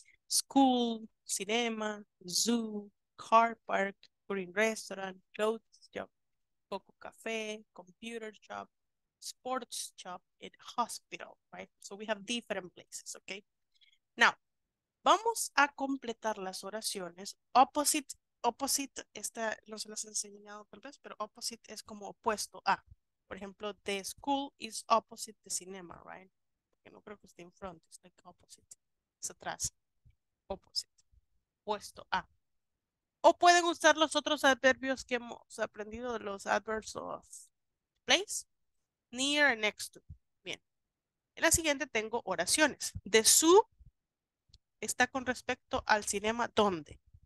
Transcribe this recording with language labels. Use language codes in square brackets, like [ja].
[en] School, cinema, zoo, car park, green restaurant, clothes shop, Coco Café, computer shop, sports shop, and hospital, right? So we have different places, okay? Now, [es] vamos a completar las oraciones. Opposite, esta no se las he enseñado tal vez, pero opposite es como opuesto a. Por ejemplo, [en] the school is opposite the cinema, right? [es] Porque no creo que esté en front, es [en] like opposite, [es] es atrás. Opposite, puesto a. O pueden usar los otros adverbios que hemos aprendido, los [en] adverbs of place, near, next to. [es] Bien. En la siguiente tengo oraciones. [en] The zoo [es] está con respecto al cinema, ¿dónde?